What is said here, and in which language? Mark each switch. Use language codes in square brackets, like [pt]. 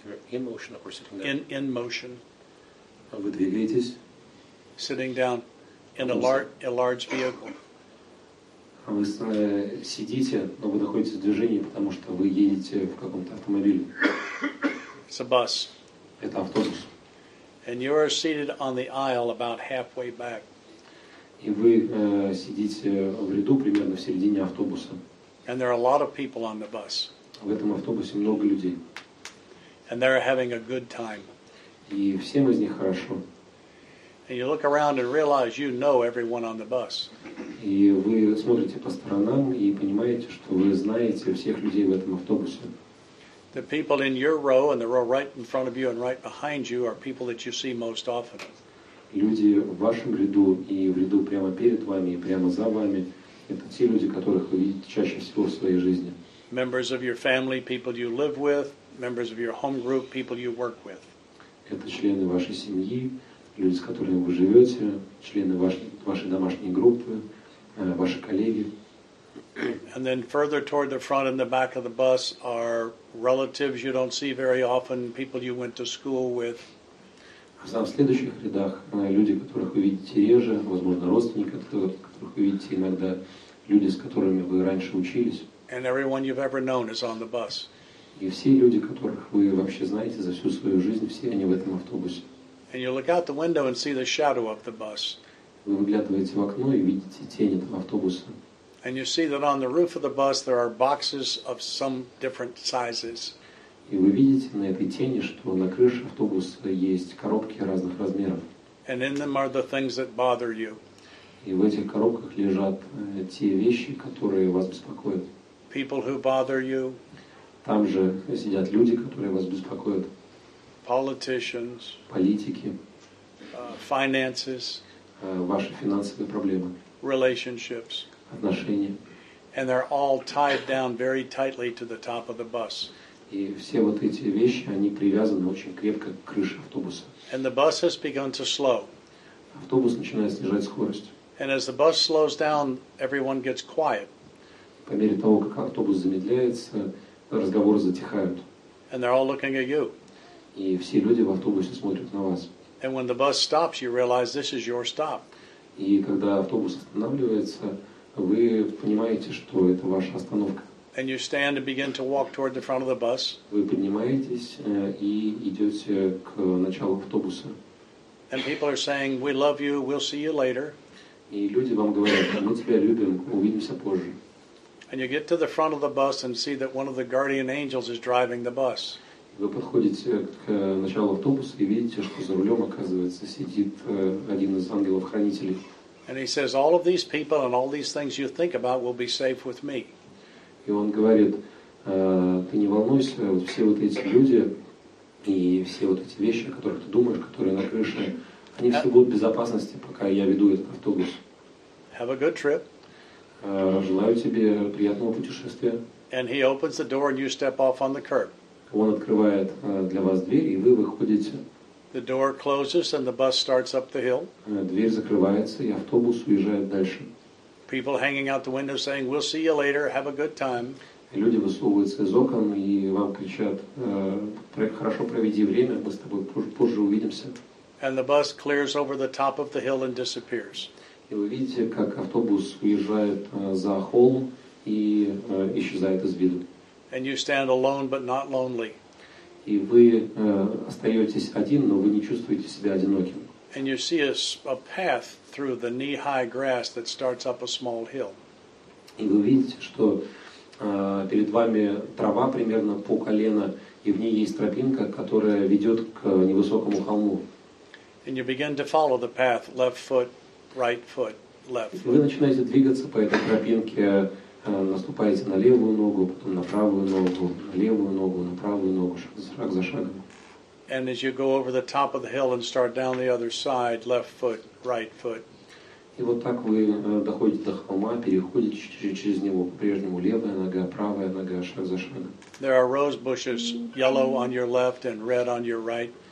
[en] In motion or sitting down? In motion. [ru] Вы двигаетесь. [en] Sitting down in a large vehicle. [ru] Вы сидите, но вы находитесь в движении, потому что вы едете в каком-то автомобиле. [en] It's a bus. [ru] Это автобус. [en] And you are seated on the aisle about halfway back. [ru] И вы сидите в ряду примерно в середине автобуса. [en] And there are a lot of people on the bus. [ru] В этом автобусе много людей. [en] And they are having a good time. [ru] И всем из них хорошо. [en] And you look around and realize you know everyone on the bus. [ru] И вы смотрите по сторонам и понимаете, что вы знаете всех людей в этом автобусе. [en] The people in your row and the row right in front of you and right behind you are people that you see most often. [ru] Люди в вашем ряду и в ряду прямо перед вами и прямо за вами – это те люди, которых вы видите чаще всего в своей жизни. [en] Members of your family, people you live with, members of your home group, people you work with. [ru] Это члены вашей семьи, люди, с которыми вы живете, члены вашей домашней группы, ваши коллеги. [en] And then further toward the front and the back of the bus are relatives you don't see very often, people you went to school with. [ru] В следующих рядах люди, которых вы видите реже, возможно, родственники, которых вы видите иногда, люди, с которыми вы раньше учились. [en] And everyone you've ever known is on the bus. [ru] И все люди, которых вы вообще знаете за всю свою жизнь, все они в этом автобусе. [en] And you look out the window and see the shadow of the bus. [ru] Вы выглядываете в окно и видите тень этого автобуса. [en] And you see that on the roof of the bus there are boxes of some different sizes. [ru] И вы видите на этой тени, что на крыше автобуса есть коробки разных размеров. [en] And in them are the things that bother you. [ru] И в этих коробках лежат те вещи, которые вас беспокоят. [en] People who bother you. [ru] Там же сидят люди, которые вас беспокоят. [en] Politicians. [ru] Политики. [en] Finances. [ru] Ваши финансовые проблемы. [en] Relationships. [ru] Отношения. [en] And they're all tied down very tightly to the top of the bus. [ru] И все вот эти вещи, они привязаны очень крепко к крыше автобуса. [en] And the bus has begun to slow. [ru] Автобус начинает снижать скорость. [en] And as the bus slows down, everyone gets quiet. [ru] По мере того, как автобус замедляется, разговоры затихают. [en] And they're all looking at you. [ru] И все люди в автобусе смотрят на вас. [en] And when the bus stops, you realize this is your stop. [ru] И когда автобус останавливается, вы понимаете, что это ваша остановка. [en] And you stand and begin to walk toward the front of the bus. [ru] Вы поднимаетесь и идете к началу автобуса. [en] And people are saying, "We love you. We'll see you later." [ru] И люди вам говорят: "Мы тебя любим. Увидимся позже." [en] And you get to the front of the bus and see that one of the guardian angels is driving the bus. [ru] Вы подходите к началу автобуса и видите, что за рулем оказывается сидит один из ангелов-хранителей. [en] And he says, "All of these people and all these things you think about will be safe with me." [ru] И он говорит, ты не волнуйся, вот все вот эти люди и все вот эти вещи, о которых ты думаешь, которые на крыше, они все будут в безопасности, пока я веду этот автобус. [en] Have a good trip. [ru] Желаю тебе приятного путешествия. [en] And he opens the door and you step off on the curb. [ru] Он открывает для вас дверь, и вы выходите. [en] The door closes and the bus starts up the hill. [ru] Дверь закрывается, и автобус уезжает дальше. [en] People hanging out the window saying, "We'll see you later. Have a good time." [ru] Люди высовываются из окон и вам кричат: "Хорошо проведи время, мы с тобой позже увидимся." [en] And the bus clears over the top of the hill and disappears. [ru] И вы видите, как автобус уезжает за холм и исчезает из виду. [en] And you stand alone, but not lonely. [ru] И вы остаетесь один, но вы не чувствуете себя одиноким. [en] And you see a path through the knee-high grass that starts up a small hill. [ru] И вы видите, что перед вами трава примерно по колено, и в ней есть тропинка, которая ведет к невысокому холму. [en] And you begin to follow the path, left foot, right foot, left foot. [ru] Вы начинаете двигаться по этой тропинке, наступаете на левую ногу, потом на правую ногу, на левую ногу, на правую ногу, шаг за шагом. [en] And as you go over the top of the hill and start down the other side, left foot, right foot. [ru] И вот так вы доходите до холма, переходите через него по-прежнему левая нога, правая нога, шаг за шагом. [en] There are rose bushes, yellow on your left and red on your right.